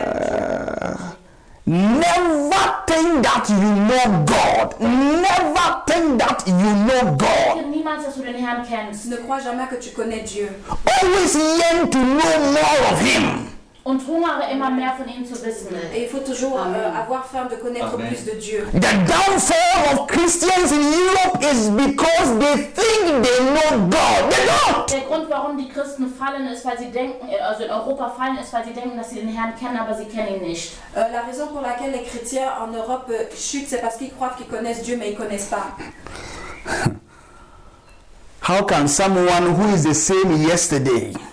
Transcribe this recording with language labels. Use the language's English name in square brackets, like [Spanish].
[English] Never think that you know God. Never think that you know God. [French] Ne crois jamais que tu connais Dieu. [English] Always yearn to know more of Him. [German] Und hungere immer mehr von ihm zu wissen. [French] Et il faut toujours avoir faim de connaître Amen. Plus de Dieu. [English] The downfall of Christians in Europe is because they think they know God. They don't. [German] Der Grund, warum die Christen fallen, ist, weil sie denken, also in Europa fallen, ist, weil sie denken, dass sie den Herrn kennen, aber sie kennen ihn nicht. [French] La raison pour laquelle les chrétiens en Europe chutent, c'est parce qu'ils croient qu'ils connaissent Dieu, mais ils connaissent pas. [English] How can someone who is the same yesterday?